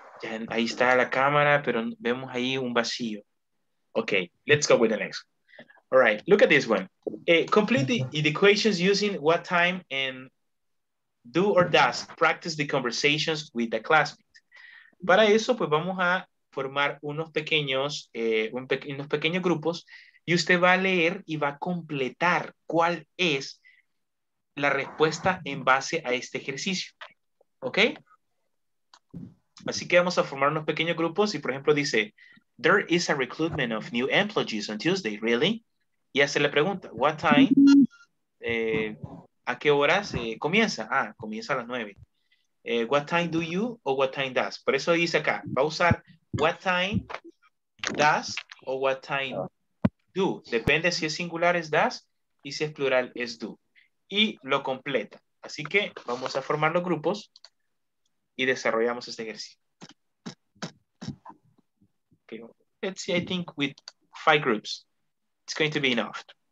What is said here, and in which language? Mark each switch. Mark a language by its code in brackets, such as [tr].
[es] Ya, ahí está la cámara, pero vemos ahí un vacío. [en] Okay, let's go with the next. All right, look at this one. Complete the equations using what time and do or does. Practice the conversations with the classmate. [es] Para eso, pues vamos a formar unos pequeños grupos y usted va a leer y va a completar cuál es la respuesta en base a este ejercicio. ¿Ok? Así que vamos a formar unos pequeños grupos y, por ejemplo, dice, [en] there is a recruitment of new employees on Tuesday, really? [es] Y hace la pregunta, what time, a qué hora se comienza? Ah, comienza a las 9. [en] What time do you o what time does? [es] Por eso dice acá, va a usar what time does o what time do. Depende si es singular es does y si es plural es do. Y lo completa. Así que vamos a formar los grupos y desarrollamos este ejercicio. [en] Okay. Let's see, I think with 5 groups, it's going to be enough.